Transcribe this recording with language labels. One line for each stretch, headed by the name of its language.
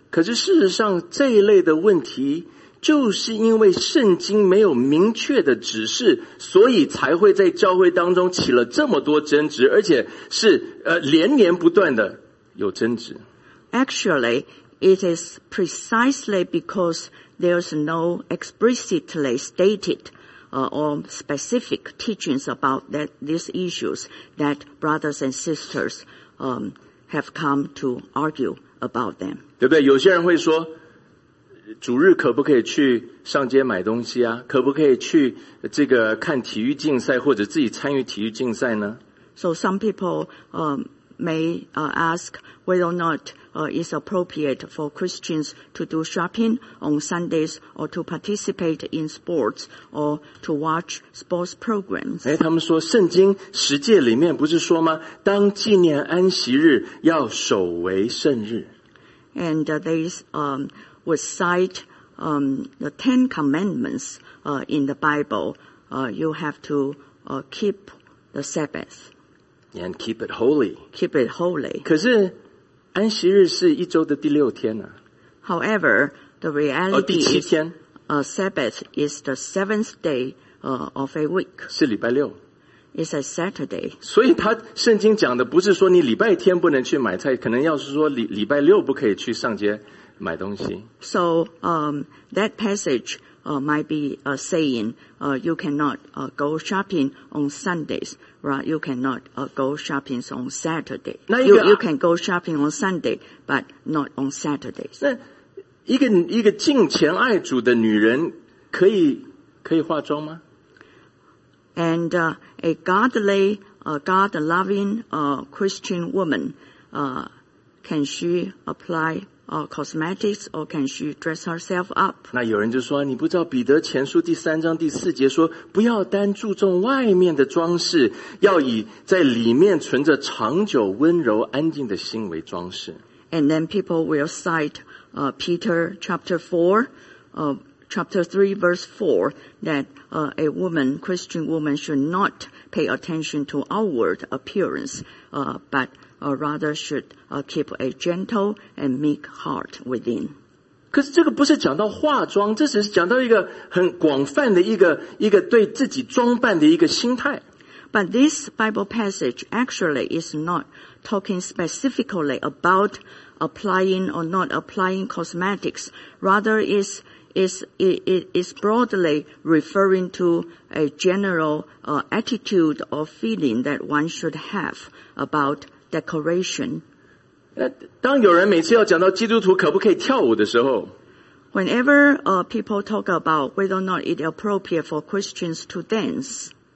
Chinese: 可是事实上这一类的问题就是因为圣经没有明确的指示，所以才会在教会当中起了这么多争执，而且是连年不断的有争执。
English: Actually, it is precisely because there's no explicitly stated or specific teachings about that these issues that brothers and sisters have come to argue about them.
Chinese: 对不对？有些人会说。主日可不可以去上街买东西啊？可不可以去这个看体育竞赛或者自己参与体育竞赛呢
English: ？So some people may ask whether or not it's appropriate for Christians to do shopping on Sundays or to participate in sports or to watch sports programs.
Chinese: 哎，他们说圣经十诫里面不是说吗？当纪念安息日要守为圣日。
English: And would cite the Ten Commandments in the Bible. You have to keep the Sabbath. And keep it holy. Keep it holy.
Chinese: 可是安息日是一周的第六天啊。
English: However, the reality is,
Chinese: 第七天。
English: Sabbath is the seventh day of a week.
Chinese: 是礼拜六。
English: It's a Saturday.
Chinese: 所以他圣经讲的不是说你礼拜天不能去买菜，可能要是说礼拜六不可以去上街。买东西。
English: So, that passage, might be, saying, you cannot, go shopping on Sundays, right? You cannot, go shopping on Saturday. You can go shopping on Sunday, but not on Saturdays.
Chinese: 一个敬虔爱主的女人可以化妆吗？
English: And, a godly, God-loving, Christian woman, can she apply or cosmetics, or can she dress herself up?
Chinese: 那有人就说，你不知道彼得前书第三章第四节说，不要单注重外面的装饰，要以在里面存着长久温柔安静的心为装饰。
English: And then people will cite Peter chapter 4, chapter 3, verse 4, that a woman, Christian woman, should not pay attention to outward appearance, but rather should keep a gentle and meek heart within.
Chinese: 可是这个不是讲到化妆，这只是讲到一个很广泛的一个对自己装扮的一个心态。
English: But this Bible passage actually is not talking specifically about applying or not applying cosmetics. Rather, it is broadly referring to a general attitude or feeling that one should have about decoration. 当有人每次要讲到基督徒可不可以跳舞的时候, whenever people talk about whether or not it is appropriate for Christians to dance,